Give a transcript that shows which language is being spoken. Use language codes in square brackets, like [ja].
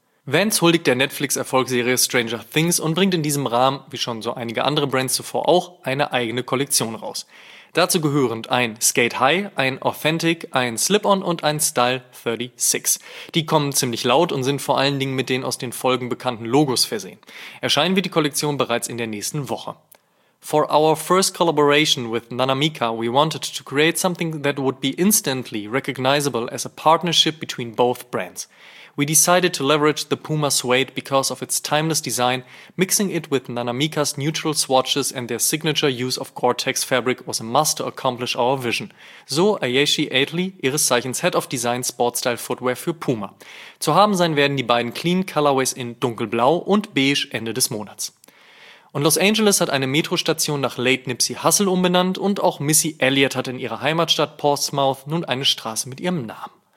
[de] Vans huldigt der Netflix-Erfolgsserie Stranger Things und bringt in diesem Rahmen, wie schon so einige andere Brands zuvor auch, eine eigene Kollektion raus. Dazu gehörend ein Skate High, ein Authentic, ein Slip-On und ein Style 36. Die kommen ziemlich laut und sind vor allen Dingen mit den aus den Folgen bekannten Logos versehen. Erscheinen wird die Kollektion bereits in der nächsten Woche. [en] For our first collaboration with Nanamika, we wanted to create something that would be instantly recognizable as a partnership between both brands. We decided to leverage the Puma suede because of its timeless design, mixing it with Nanamika's neutral swatches and their signature use of Gore-Tex fabric was a must to accomplish our vision. [de] So Ayeshi Aitley, ihres Zeichens Head of Design Sportstyle Footwear für Puma. Zu haben sein werden die beiden Clean Colorways in Dunkelblau und Beige Ende des Monats. Und Los Angeles hat eine Metrostation nach Late Nipsey Hussle umbenannt und auch Missy Elliott hat in ihrer Heimatstadt Portsmouth nun eine Straße mit ihrem Namen.